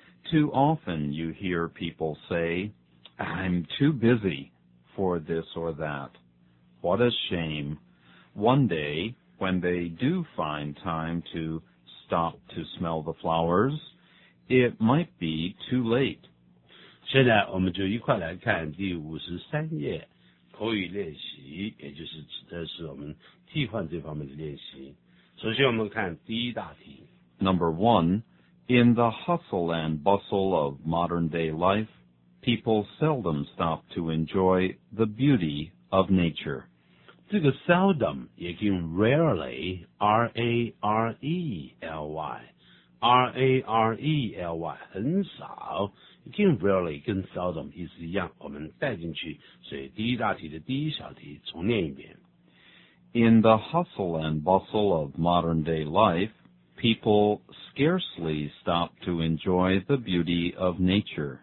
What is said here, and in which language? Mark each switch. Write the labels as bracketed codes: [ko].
[en] Too often you hear people say, I'm too busy for this or that. What a shame. One day, when they do find time to stop to smell the flowers, it might be too late. [zh] 现在我们就一块来看第53页口语练习，也就是指的是我们替换这方面的练习。首先我们看第一大题。 [en] Number one, in the hustle and bustle of modern day life, people seldom stop to enjoy the beauty of nature. [zh] 这个 seldom 也可以用 rarely, R-A-R-E-L-Y, R-A-R-E-L-Y, 很少。 Again, rarely 跟 seldom 意思一样，我们带进去。所以第一大题的第一小题重念一遍。 [en] In the hustle and bustle of modern day life, people scarcely stop to enjoy the beauty of nature.